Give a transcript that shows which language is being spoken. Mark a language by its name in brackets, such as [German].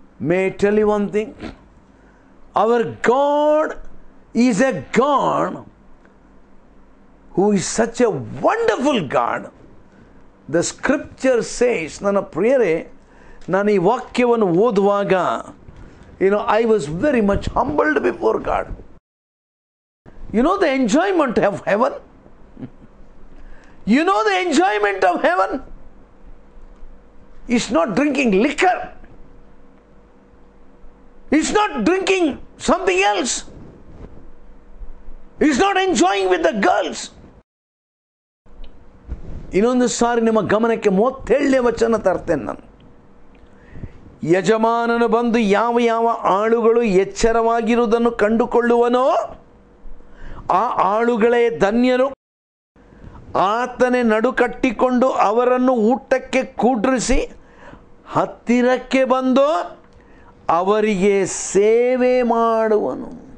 [English] May tell you one thing, our God is a God who is such a wonderful God. The scripture says, [Kannada] ನನ್ನ ಪ್ರಿಯರೇ, ನಾನು ಈ ವಾಕ್ಯವನ್ನು ಓದುವಾಗ [English] You know I was very much humbled before God. You know the enjoyment of heaven, you know the enjoyment of heaven is not drinking liquor, is not drinking something else, is not enjoying with the girls. [Kannada] ಇನ್ನೊಂದು ಸಾರಿ ನಿಮ್ಮ ಗಮನಕ್ಕೆ 37 ವಚನ ತರ್ತೇನೆ ನಾನು. ಯಜಮಾನನು ಬಂದು ಯಾವ ಯಾವ ಆಳುಗಳು ಎಚ್ಚರವಾಗಿರುವುದನ್ನು ಕಂಡುಕೊಳ್ಳುವನೋ ಆ ಆಳುಗಳೇ ಧನ್ಯರು. ಆತನೇ ನಡುಕಟ್ಟಿಕೊಂಡು ಅವರನ್ನು ಊಟಕ್ಕೆ ಕೂಡಿಸಿ ಹತ್ತಿರಕ್ಕೆ ಬಂದು ಅವರಿಗೆ ಸೇವೆ ಮಾಡುವನು.